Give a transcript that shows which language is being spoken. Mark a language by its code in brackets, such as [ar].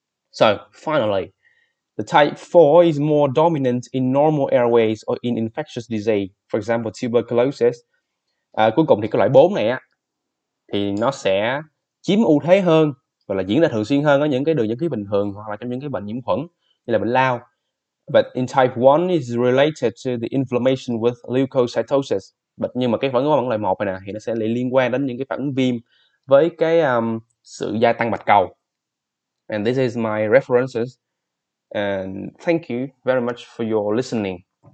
[en] So, finally, the type 4 is more dominant in normal airways or in infectious disease, for example, tuberculosis. [vi] Cuối cùng thì cái loại 4 này á, thì nó sẽ chiếm ưu thế hơn và là diễn ra thường xuyên hơn ở những cái đường dẫn khí bình thường hoặc là trong những cái bệnh nhiễm khuẩn như là bệnh lao. [en] But in type 1 is related to the inflammation with leukocytosis. [vi] But nhưng mà cái phản ứng bằng loại 1 này nè thì nó sẽ liên quan đến những cái phản ứng viêm với cái sự gia tăng bạch cầu. [en] And this is my references. And thank you very much for your listening.